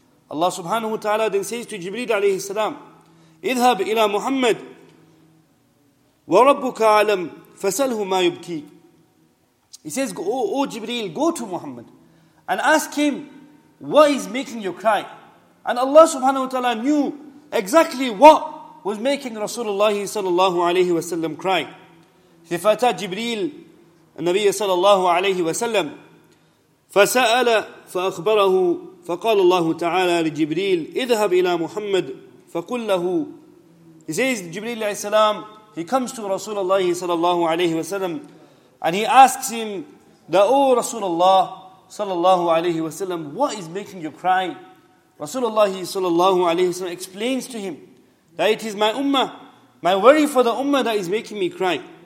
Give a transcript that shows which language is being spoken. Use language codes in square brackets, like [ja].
[en] Allah subhanahu wa ta'ala then says to Jibreel alayhi salam, [ar] اذهب إلى محمد وربك عالم فسأله ما يبكي. [en] He says, oh Jibreel, go to Muhammad and ask him, what is making you cry? And Allah subhanahu wa ta'ala knew exactly what was making Rasulullah sallallahu alayhi wa sallam cry. [ar] فأتى جبريل النبي صلى الله عليه وسلم فسأل فأخبره فقال الله تعالى لجبريل اذهب إلى محمد فقل له. [en] He says, [ar] جبريل عليه السلام [en] he comes to Rasulullah sallallahu alayhi wa sallam and he asks him that, oh Rasulullah sallallahu alayhi wa sallam, what is making you cry? Rasulullah sallallahu alayhi wa sallam explains to him that it is my ummah, my worry for the ummah that is making me cry.